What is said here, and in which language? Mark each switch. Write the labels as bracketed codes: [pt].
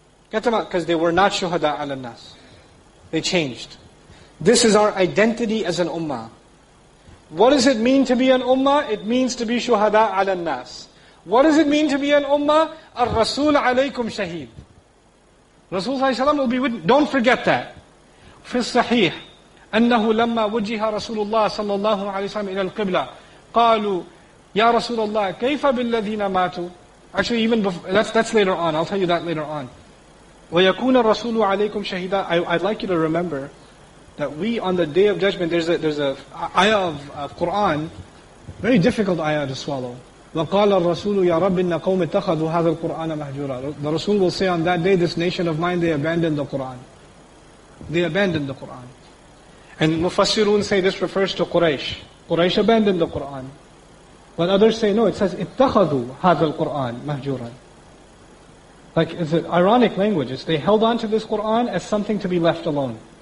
[en] Get them out, because they were not shuhada ala nas. They changed. This is our identity as an ummah. What does it mean to be an ummah? It means to be shuhada ala nas. What does it mean to be an ummah? Ar-Rasul alaykum shaheed. Rasulullah ﷺ will be with you. Don't forget that. [ar] في الصحيح أنه لما وجه رسول الله صلى الله عليه وسلم إلى القبلة قالوا يا رسول الله كيف بالذين ماتوا. [en] Actually, even before, that's later on. I'll tell you that later on. [ar] ويكون الرسول عليكم شهيدا. [en] I'd like you to remember that we on the day of judgment, there's a ayah of Quran, very difficult ayah to swallow. [ar] وقال الرسول يا رب إن قوم اتخذوا هذا القرآن مهجورا. [en] The Rasul will say, on that day, this nation of mine, they abandoned the Quran. They abandoned the Quran. And Mufassirun say this refers to Quraysh. Quraysh abandoned the Quran. But others say, no, it says, [ar] اتخذوا هذا القرآن مهجورا. [en] Like, it's an ironic language. It's they held on to this Quran as something to be left alone.